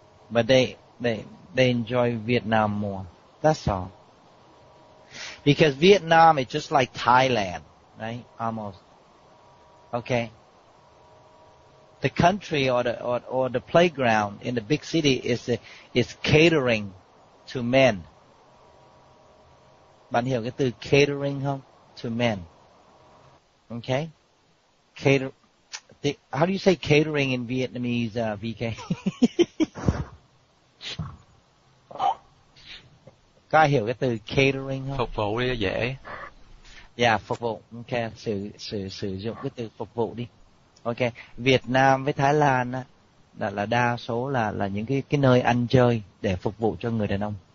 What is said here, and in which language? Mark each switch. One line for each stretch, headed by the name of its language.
English: But they enjoy Vietnam more. That's all. Because Vietnam is just like Thailand, right? Almost. Okay. The country or the playground in the big city is catering to men.
Vietnamese: Bạn hiểu cái từ catering không?
English: To men. Okay. How do you say catering in Vietnamese, VK?
Vietnamese: Có ai hiểu cái từ catering không? Phục vụ đi, dễ. Yeah, phục vụ. Okay, sử dụng cái từ phục vụ đi. Okay, Việt Nam với Thái Lan á, là đa số là những cái nơi ăn chơi để phục vụ cho người đàn ông.